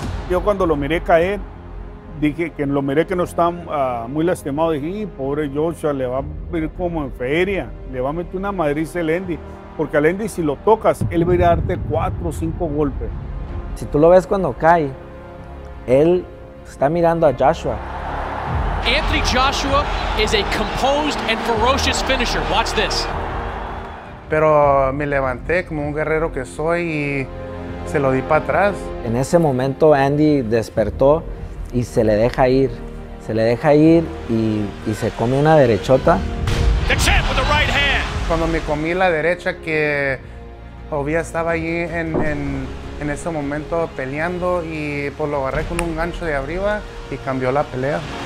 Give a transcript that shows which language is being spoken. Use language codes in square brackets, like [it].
[es] Yo cuando lo miré caer, dije que no está muy lastimado, dije, pobre Joshua, le va a venir como en feria, le va a meter una madriz el Andy, porque al Andy si lo tocas, él va a ir a darte 4 o 5 golpes. Si tú lo ves cuando cae, él está mirando a Joshua. [en] Anthony Joshua is a composed and ferocious finisher, watch this. [es] Pero me levanté como un guerrero que soy y se lo di para atrás. En ese momento Andy despertó y se le deja ir. Se le deja ir y se come una derechota. [en] The champ with the right hand. [es] Cuando me comí la derecha que obvio estaba ahí en ese momento peleando y pues lo agarré con un gancho de arriba y cambió la pelea.